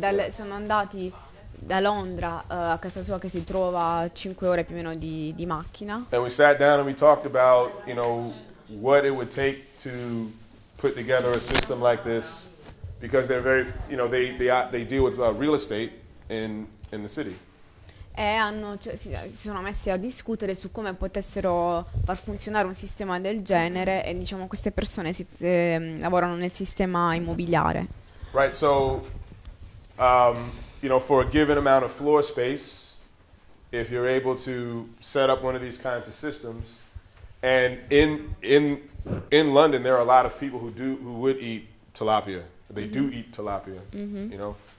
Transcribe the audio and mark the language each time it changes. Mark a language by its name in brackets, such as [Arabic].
[Italian] Sono andati da Londra a casa sua che si trova 5 ore più o meno di macchina. [English] And we sat down and we talked about, you know, what it would take to put together a system like this, because they're very, you know, they deal with real estate in the city. [Italian] E hanno si sono messi a discutere su come potessero far funzionare un sistema del genere e diciamo queste persone lavorano nel sistema immobiliare. [English] Right, so you know, for a given amount of floor space, if you're able to set up one of these kinds of systems, and in London there are a lot of people who would eat tilapia. They mm-hmm. do eat tilapia, mm-hmm. you know.